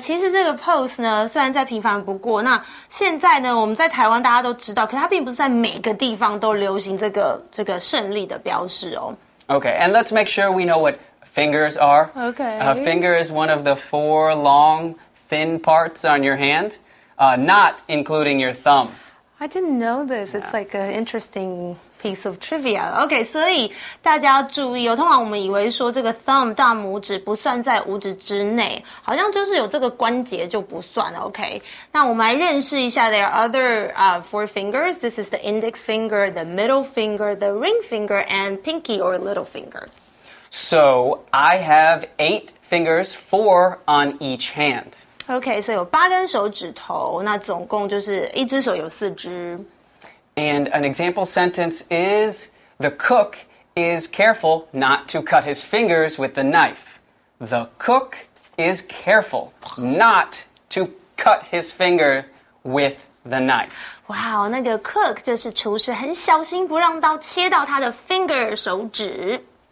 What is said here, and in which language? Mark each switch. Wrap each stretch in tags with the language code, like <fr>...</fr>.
<zh>其实这个 pose 呢，虽然再平凡不过，那现在呢，我们在台湾大家都知道，可它并不是在每个地方都流行这个胜利的标志哦。</zh> <en>Okay, and let's make sure we know what fingers are. Okay. A finger is one of the four long, thin parts on your hand, not including your thumb. I didn't know this. It's like an interesting piece of trivia.</en> <zh>Okay, 所以大家要注意哦。通常我们以为说这个 thumb 大拇指不算在五指之内，好像就是有这个关节就不算。 Okay, 那我们来认识一下</zh> <en>there are other four fingers. This is the index finger, the middle finger, the ring finger, and pinky or little finger. So I have eight fingers, four on each hand.</en> <zh>Okay, 所以有八根手指头，那总共就是一只手有四只。</zh> <en>And an example sentence is, the cook is careful not to cut his fingers with the knife. The cook is careful not to cut his finger with the knife.</en> <zh>Wow, 那个 cook 就是厨师，很小心不让刀切到他的 finger 手指。</zh>